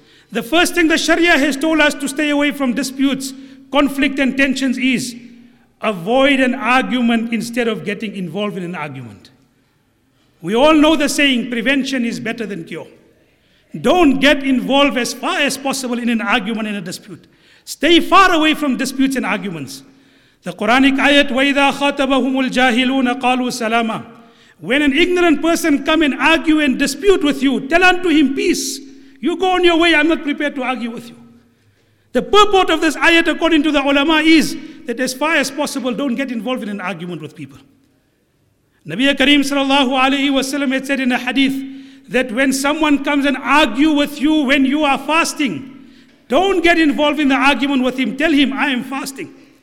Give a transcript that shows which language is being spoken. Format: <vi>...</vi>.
<en>The first thing the Sharia has told us to stay away from disputes, conflict and tensions is avoid an argument instead of getting involved in an argument. We all know the saying, prevention is better than cure. Don't get involved as far as possible in an argument, in a dispute. Stay far away from disputes and arguments. The Quranic ayat,</en> <ar>وَإِذَا خَاتَبَهُمُ الْجَاهِلُونَ قَالُوا سَلَامًا.</ar> <en>When an ignorant person come and argue and dispute with you, tell unto him peace. You go on your way, I'm not prepared to argue with you. The purport of this ayat according to the ulama is that as far as possible, don't get involved in an argument with people. Nabi Kareem sallallahu alayhi wa sallam had said in a hadith that when someone comes and argue with you when you are fasting, don't get involved in the argument with him. Tell him, I am fasting.</en>